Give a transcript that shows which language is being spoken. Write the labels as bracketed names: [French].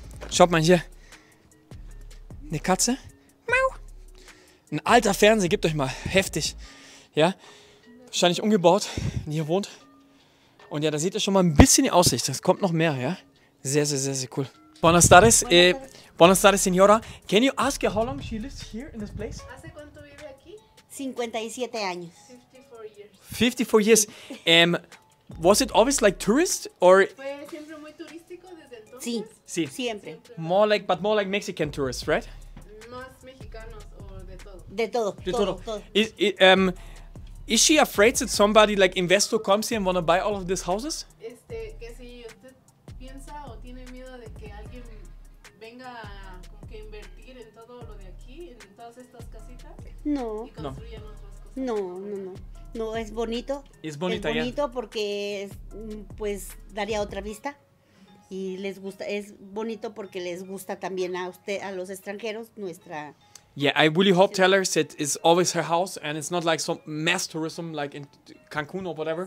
[German] Schaut mal hier. Eine Katze. Miau. Ein alter Fernseher, gebt euch mal. Heftig, ja. Wahrscheinlich umgebaut, wenn ihr wohnt. Und ja, da seht ihr schon mal ein bisschen die Aussicht. Es kommt noch mehr, ja. Sehr, sehr, sehr, sehr cool. [Spanish] Buenas tardes. Buenas tardes, señora. [English] Can you ask her how long she lives here in this place? [Spanish] ¿Hace cuánto vive aquí? 57 años. [English] 54 years. 54 years. Was it always like tourist or? [Spanish] Fue siempre muy turístico desde entonces. Sí, sí. Siempre. [English] More like Mexican tourists, right? [Spanish] Más mexicanos o de todo. De todo. De todo. [English] Is she afraid that somebody like investor comes here and wanna buy all of these houses? [Spanish] Que si usted piensa o tiene miedo de que alguien venga como que invertir en todo lo de aquí, en todas estas casitas. No. Y construyan otras cosas. No. No, es bonito. Es bonita, ya. Es bonito, yeah. Porque pues daría otra vista. Y les gusta, es bonito porque les gusta también a usted, a los extranjeros, nuestra. [English] Yeah, I really hope Taylor said it's always her house and it's not like some mass tourism like in Cancun or whatever.